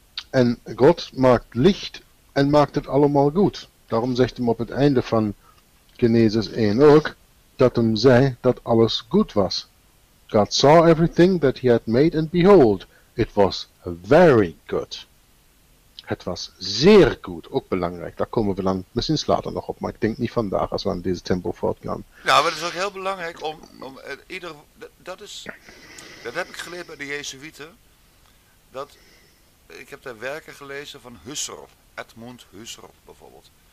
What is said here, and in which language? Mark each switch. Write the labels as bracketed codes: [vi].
[nl] En God maakt licht en maakt het allemaal goed. Daarom zegt hem op het einde van Genesis 1 ook, dat hem zei dat alles goed was. [en] God saw everything that he had made and behold, it was very good. [nl] Het was zeer goed, ook belangrijk. Daar komen we dan misschien later nog op, maar ik denk niet vandaag als we aan deze tempo voortgaan. Ja, maar het is ook heel belangrijk om ieder... Dat heb ik geleerd bij de Jezuïeten. Dat ik heb daar werken gelezen van Husserl, Edmund Husserl bijvoorbeeld.